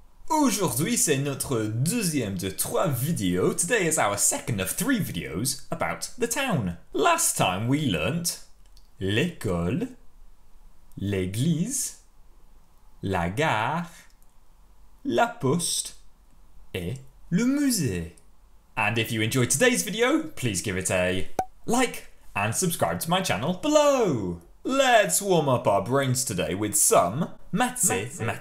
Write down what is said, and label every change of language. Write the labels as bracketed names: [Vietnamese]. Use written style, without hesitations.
[French] Aujourd'hui, c'est notre deuxième de trois vidéos. [English] Today is our second of three videos about the town. Last time we learnt... [French] l'école, l'église, la gare, la poste et le musée. [English] And if you enjoyed today's video, please give it a like and subscribe to my channel below. Let's warm up our brains today with some mathématiques.